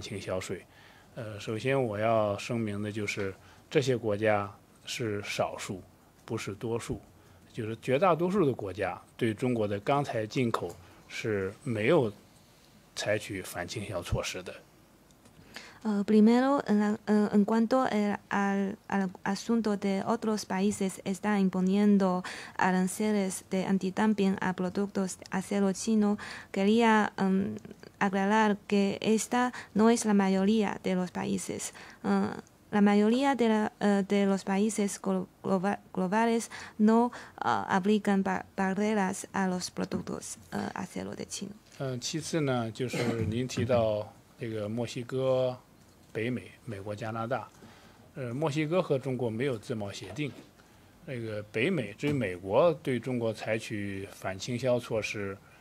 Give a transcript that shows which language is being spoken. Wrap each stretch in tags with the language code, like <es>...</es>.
<zh>您提到的几个问题，第一个就是也有其他国家对中国的钢材产品提起反倾销，采取反倾销税。首先我要声明的就是。这些国家是少数，不是多数，就是绝大多数的国家对中国的钢材进口是没有采取反倾销措施的。</zh> <es>Primero, en cuanto al asunto de otros países, están imponiendo aranceles de antidumping a productos de acero chino. Quería aclarar que esta no es la mayoría de los países. La mayoría de los países globales no aplican barreras a los productos acero de China.</es> <zh>其次呢，就是您提到这个墨西哥、北美、美国、加拿大，墨西哥和中国没有自贸协定，这个北美对美国对中国采取反倾销措施，</zh>